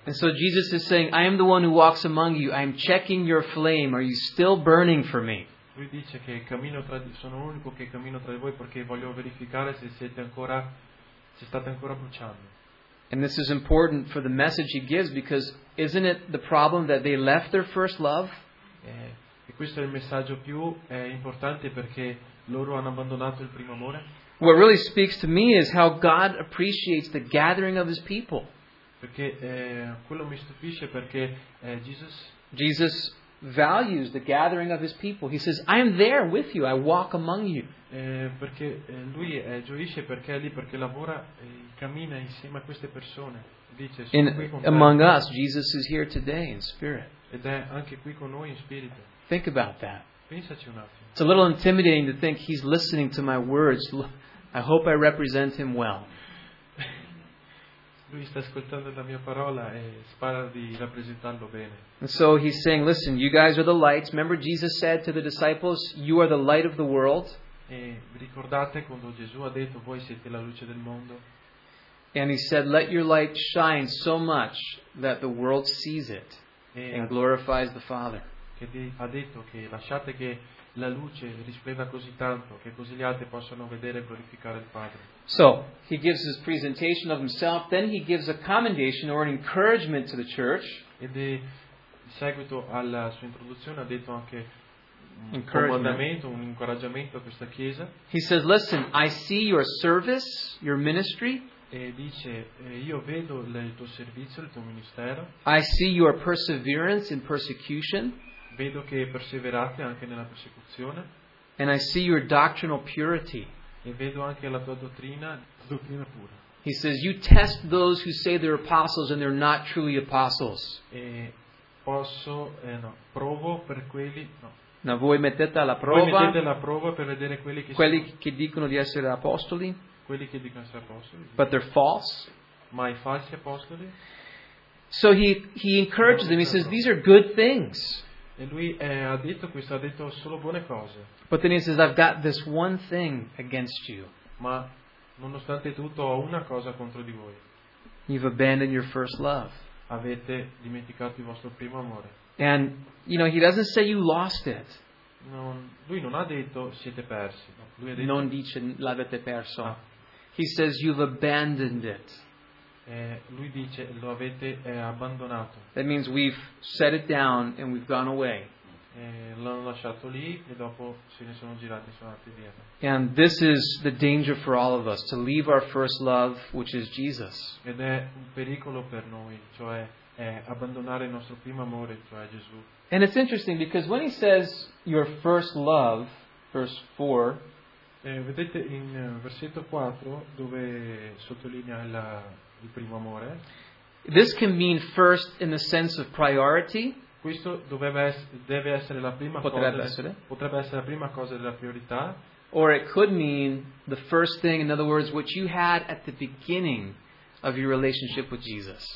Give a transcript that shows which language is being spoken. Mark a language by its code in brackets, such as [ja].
[en] And so Jesus is saying, I am the one who walks among you. I am checking your flame. Are you still burning for me? [it] Lui dice che sono l'unico che cammino tra di voi perché voglio verificare se state ancora bruciando. [en] And this is important for the message he gives because isn't it the problem that they left their first love? [it] E questo è il messaggio più importante perché loro hanno abbandonato il primo amore. [en] What really speaks to me is how God appreciates the gathering of his people. [it] Perché quello mi stupisce perché [en] Jesus values the gathering of his people. He says, I am there with you, I walk among you. [it] Perché lui gioisce perché è lì, perché lavora e cammina insieme a queste persone. Dice, sono qui con te. [en] Among us, Jesus is here today in spirit. [it] Ed è anche qui con noi in spirito. [en] Think about that. [it] Pensaci un attimo. [en] It's a little intimidating to think he's listening to my words. I hope I represent him well. [it] Lui sta ascoltando la mia parola e spera di rappresentarlo bene. [en] And so he's saying, listen, you guys are the lights. Remember Jesus said to the disciples, you are the light of the world. [it] E ricordate quando Gesù ha detto, voi siete la luce del mondo. [en] And he said, let your light shine so much that the world sees it and glorifies the Father. [it] Ha detto che lasciate che la luce risplenda così tanto che così gli altri possano vedere e glorificare il Padre. [en] So, he gives his presentation of himself, then he gives a commendation or an encouragement to the church. [it] Ed in seguito alla sua introduzione ha detto anche un comandamento, un incoraggiamento a questa chiesa. [en] He says, listen, I see your service, your ministry. [it] E dice, io vedo il tuo servizio, il tuo ministero. [en] I see your perseverance in persecution. [it] Vedo che perseverate anche nella persecuzione. [en] And I see your doctrinal purity. [it] E vedo anche la tua dottrina pura. [en] He says, you test those who say they're apostles and they're not truly apostles. [it] E posso, no, provo per quelli, no. No, voi mettete alla prova. Voi mettete la prova per vedere quelli che dicono di essere apostoli. Quelli che dicono essere apostoli. [en] But they're false. [it] Ma i falsi apostoli. [en] So he encourages them. He says, these are good things. [it] E lui ha detto questo, ha detto solo buone cose. [en] But then he says, I've got this one thing against you. [it] Ma nonostante tutto ho una cosa contro di voi. [en] You've abandoned your first love. [it] Avete dimenticato il vostro primo amore. [en] And you know, he doesn't say you lost it. [it] Non, lui non ha detto siete persi. No. Lui ha detto, non dice l'avete perso. Ah. [en] He says you've abandoned it. [it] Lui dice lo avete abbandonato. [en] That means we've set it down and we've gone away. [it] L'hanno lasciato lì e dopo se ne sono girati e sono andati via. [en] And this is the danger for all of us, to leave our first love, which is Jesus. [it] Ed è un pericolo per noi, cioè abbandonare il nostro primo amore, cioè Gesù. [en] And it's interesting because when he says your first love, verse 4, [it] vedete in versetto 4 dove sottolinea il primo amore. [en] This can mean first in the sense of priority. [it] Questo deve essere la prima potrebbe cosa. Essere. Potrebbe essere la prima cosa della priorità. [en] Or it could mean the first thing, in other words, what you had at the beginning of your relationship with Jesus.